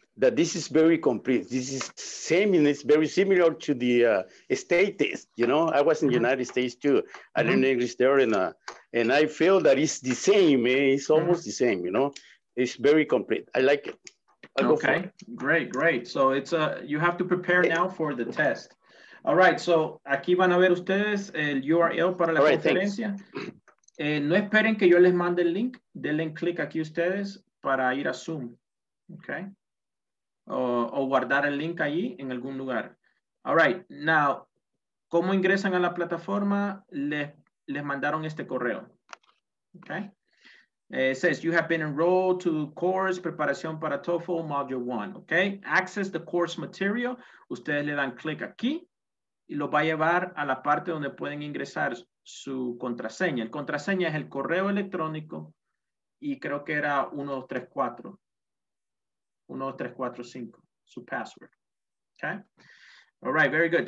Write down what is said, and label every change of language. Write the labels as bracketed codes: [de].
[en] That this is very complete. This is same, and it's very similar to the state test. You know, I was in the United States too. I learned English there, and I feel that it's the same. It's almost the same. You know, it's very complete. I like it. Great. So it's you have to prepare now for the test. All right. [es] So aquí van a ver ustedes el URL para la conferencia. No esperen que yo les mande el link. Denle click aquí ustedes para ir a Zoom. Okay. O guardar el link allí en algún lugar. [en] All right, now, [es] ¿cómo ingresan a la plataforma? Les mandaron este correo. Okay. [en] It says, you have been enrolled to course, preparación para TOEFL, module 1. Okay, access the course material. [es] Ustedes le dan click aquí y lo va a llevar a la parte donde pueden ingresar su contraseña. El contraseña es el correo electrónico y creo que era 1234. [en] 1, 2, 3, 4, 5, su password. Okay. All right, very good.